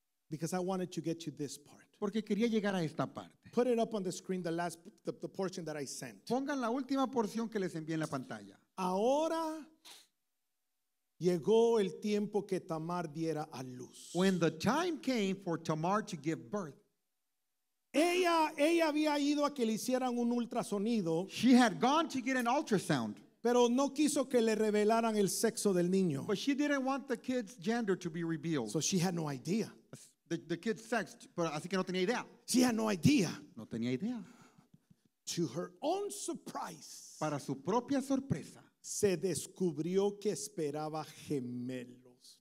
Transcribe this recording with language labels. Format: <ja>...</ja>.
<en>Because I wanted to get to this part.</en> <es>Porque quería llegar a esta parte.</es> <en>Put it up on the screen, the last, the portion that I sent.</en> <es>Pongan la última porción que les envié en la pantalla. Ahora... Llegó el tiempo que Tamar diera a luz.</es> <en>When the time came for Tamar to give birth,</en> <es>ella había ido a que le hicieran un ultrasonido.</es> <en>She had gone to get an ultrasound.</en> <es>Pero no quiso que le revelaran el sexo del niño.</es> <en>But she didn't want the kid's gender to be revealed. So she had no idea. The kid's sex,</en> <es>pero así que no tenía idea.</es> <en>She had no idea.</en> <es>No tenía idea.</es> <en>To her own surprise.</en> <es>Para su propia sorpresa. Se descubrió que esperaba gemelos.</es>